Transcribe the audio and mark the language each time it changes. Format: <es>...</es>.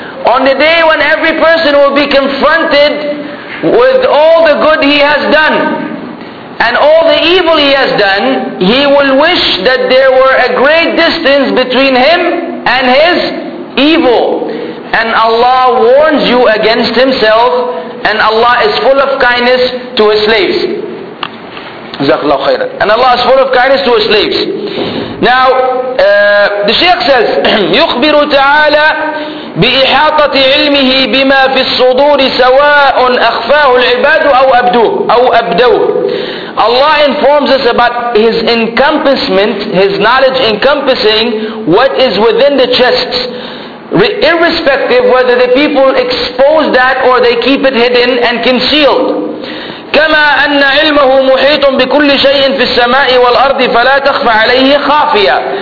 <en>On the day when every person will be confronted with all the good he has done and all the evil he has done, he will wish that there were a great distance between him and his evil. And Allah warns you against himself, and Allah is full of kindness to his slaves. Jazakallahu khairan. And Allah is full of kindness to his slaves. Now, the Shaykh says,</en> <ar>يُخْبِرُ تَعَالَى بِإِحَاطَةِ عِلْمِهِ بِمَا فِي الصُّدُورِ سَوَاءٌ أَخْفَاهُ الْعِبَادُ أَوْ أَبْدَوْهُ.</ar> <en>Allah informs us about His encompassment, His knowledge encompassing what is within the chests, irrespective whether the people expose that or they keep it hidden and concealed.</en> <ar>كَمَا أَنَّ عِلْمَهُ مُحِيطٌ بِكُلِّ شَيْءٍ فِي السَّمَاءِ وَالْأَرْضِ فَلَا تَخْفَ عَلَيْهِ خَافِيًا.</ar>